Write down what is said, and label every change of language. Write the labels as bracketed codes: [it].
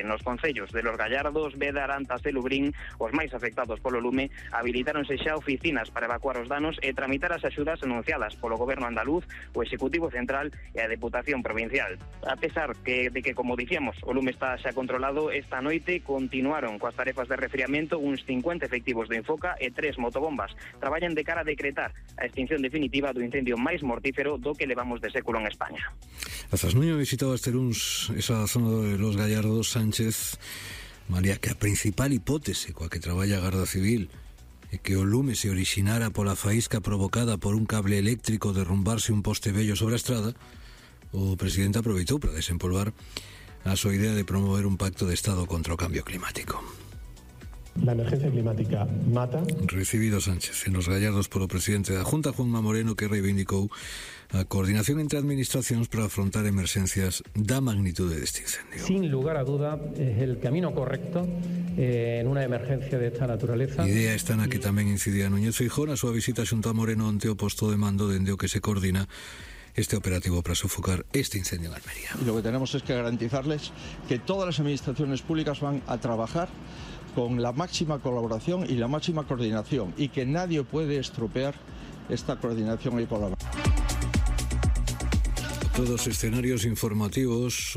[gl] Nos concellos de Los Gallardos, Veda, Arantas e Lubrín, os máis afectados polo lume, habilitáronse xa oficinas para evacuar os danos e tramitar as axudas anunciadas polo goberno andaluz, o Executivo Central e a Deputación Provincial. A pesar de que, como dicíamos, o lume está xa controlado, esta noite continuaron coas tarefas de resfriamento uns 50 efectivos do Infoca e 3 motobombas. Traballan de cara a decretar a extinción definitiva do incendio máis mortífero do que levamos de século en España. Azas Nuño visitaba este luns esa zona de Los Gallardos. Sánchez, María, que a principal hipótese coa que traballa a Garda Civil e que o lume se orixinara pola faísca provocada por un cable eléctrico derrumbarse un poste vello sobre a estrada, o presidente aproveitou para desempolvar a súa idea de promover un pacto de Estado contra o cambio climático. [es] La emergencia climática mata. [gl] Recibido Sánchez en Los Gallardos polo presidente da Junta, Juanma Moreno, que reivindicou a coordinación entre administracións para afrontar emerxencias da magnitude deste incendio. [es] Sin lugar a duda, [gl] é [es] el camino correcto [gl] en unha emergencia desta [es] naturaleza. [gl] Idea está na que tamén incidía Núñez Feijóo na súa visita xunto a Moreno ante o posto de mando dende o que se coordina este operativo para sofocar este incendio en Almería. [es] Y lo que tenemos es que garantizarles que todas las administraciones públicas van a trabajar con la máxima colaboración y la máxima coordinación, y que nadie puede estropear esta coordinación y colaboración. [gl] Todos escenarios informativos.